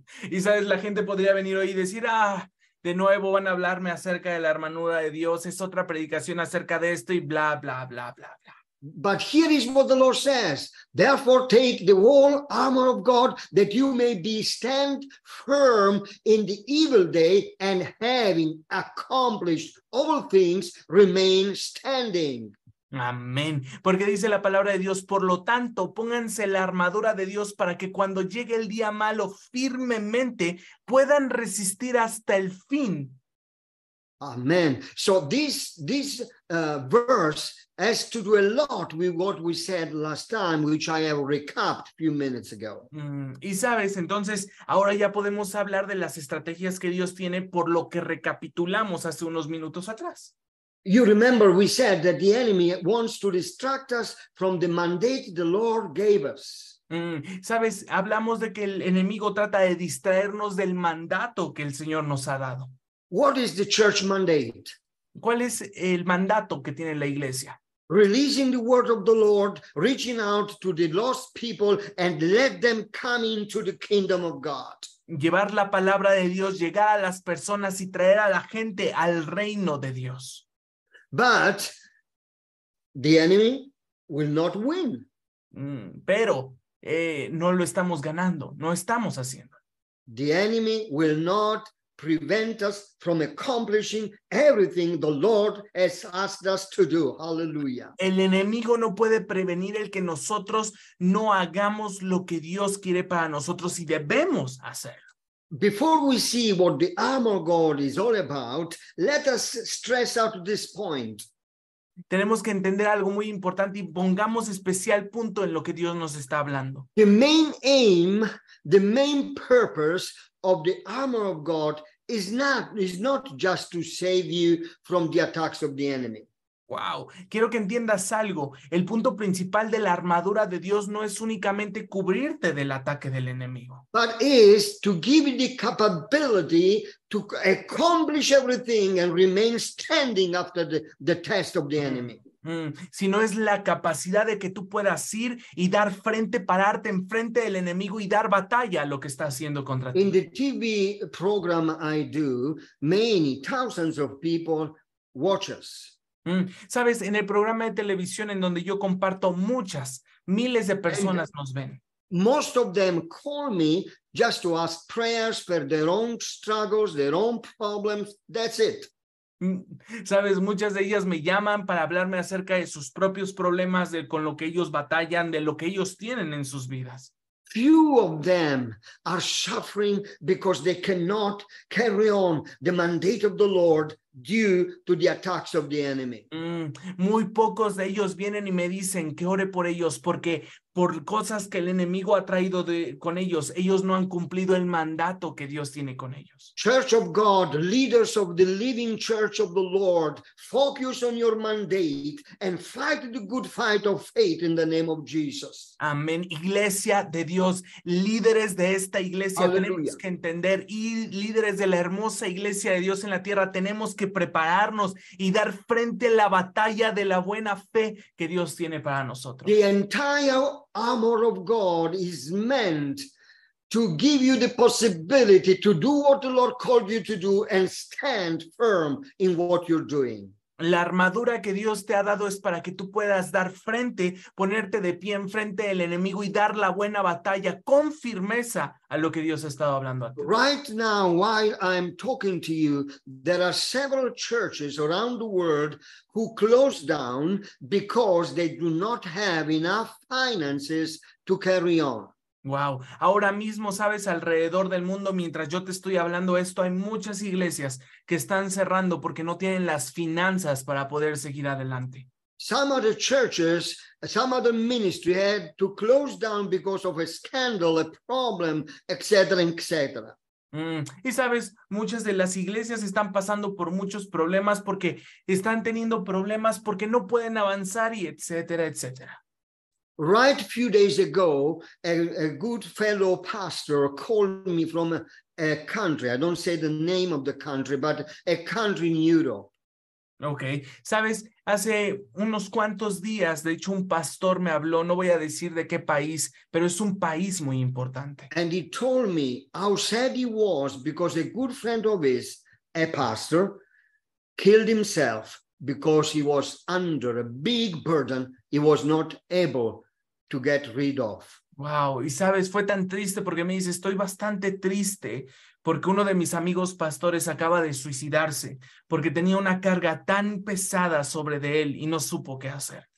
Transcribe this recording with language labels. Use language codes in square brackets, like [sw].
[es] Y sabes, la gente podría venir hoy y decir, ah, de nuevo van a hablarme acerca de la armadura de Dios, es otra predicación acerca de esto y bla, bla, bla, bla, bla. [en] But here is what the Lord says. Therefore, take the whole armor of God that you may be stand firm in the evil day and having accomplished all things, remain standing. [es] Amén. Porque dice la palabra de Dios, por lo tanto, pónganse la armadura de Dios para que cuando llegue el día malo firmemente puedan resistir hasta el fin. [en] Amen. So this verse has to do a lot with what we said last time, which I have recapped a few minutes ago. [es] Y sabes, entonces, ahora ya podemos hablar de las estrategias que Dios tiene por lo que recapitulamos hace unos minutos atrás. [en] You remember we said that the enemy wants to distract us from the mandate the Lord gave us. [es] Sabes, hablamos de que el enemigo trata de distraernos del mandato que el Señor nos ha dado. [en] What is the church mandate? [es] ¿Cuál es el mandato que tiene la iglesia? [en] Releasing the word of the Lord, reaching out to the lost people and let them come into the kingdom of God. [es] Llevar la palabra de Dios, llegar a las personas y traer a la gente al reino de Dios. [en] But the enemy will not win. [es] Pero no lo estamos ganando, no estamos haciendo. [en] The enemy will not prevent us from accomplishing everything the Lord has asked us to do. Hallelujah. [es] El enemigo no puede prevenir el que nosotros no hagamos lo que Dios quiere para nosotros y debemos hacer. [en] Before we see what the armor God is all about, let us stress out this point. [es] Tenemos que entender algo muy importante y pongamos especial punto en lo que Dios nos está hablando. [en] The main aim, the main purpose of the armor of God is not just to save you from the attacks of the enemy. [es] Wow, quiero que entiendas algo. El punto principal de la armadura de Dios no es únicamente cubrirte del ataque del enemigo. [en] But is to give you the capability to accomplish everything and remain standing after the test of the enemy. [es] sino es la capacidad de que tú puedas ir y dar frente, pararte enfrente del enemigo y dar batalla a lo que está haciendo contra ti. [en] In the TV program I do, many thousands of people watch us. [es] Sabes, en el programa de televisión en donde yo comparto, muchas, miles de personas nos ven. [en] Most of them call me just to ask prayers for their own struggles, their own problems. That's it. [es] Sabes, muchas de ellas me llaman para hablarme acerca de sus propios problemas, de con lo que ellos batallan, de lo que ellos tienen en sus vidas. [en] Few of them are suffering because they cannot carry on the mandate of the Lord due to the attacks of the enemy. [es] Muy pocos de ellos vienen y me dicen que ore por ellos porque por cosas que el enemigo ha traído con ellos, ellos no han cumplido el mandato que Dios tiene con ellos. [en] Church of God, leaders of the living church of the Lord, focus on your mandate and fight the good fight of faith in the name of Jesus. [es] Amén. Iglesia de Dios, líderes de esta iglesia, Aleluya. Tenemos que entender, y líderes de la hermosa iglesia de Dios en la tierra, tenemos que prepararnos y dar frente a la batalla de la buena fe que Dios tiene para nosotros. [en] The entire armor of God is meant to give you the possibility to do what the Lord called you to do and stand firm in what you're doing. [es] La armadura que Dios te ha dado es para que tú puedas dar frente, ponerte de pie enfrente del enemigo y dar la buena batalla con firmeza a lo que Dios ha estado hablando a ti. [en] Right now, while I'm talking to you, there are several churches around the world who close down because they do not have enough finances to carry on. [es] Wow. Ahora mismo, sabes, alrededor del mundo, mientras yo te estoy hablando esto, hay muchas iglesias que están cerrando porque no tienen las finanzas para poder seguir adelante. [en] Some of the churches, some of the ministry had to close down because of a scandal, a problem, etc., etc. [es] Y sabes, muchas de las iglesias están pasando por muchos problemas porque están teniendo problemas porque no pueden avanzar y etcétera, etcétera. [en] Right a few days ago, a good fellow pastor called me from a country. I don't say the name of the country, but a country in Europe. Okay. [es] Sabes, hace unos cuantos días, de hecho, un pastor me habló. No voy a decir de qué país, pero es un país muy importante. [en] And he told me how sad he was because a good friend of his, a pastor, killed himself because he was under a big burden. He was not able to get rid of. [es] Wow, y sabes, fue tan triste porque me dice, estoy bastante triste porque uno de mis amigos pastores acaba de suicidarse porque tenía una carga tan pesada sobre de él y no supo qué hacer.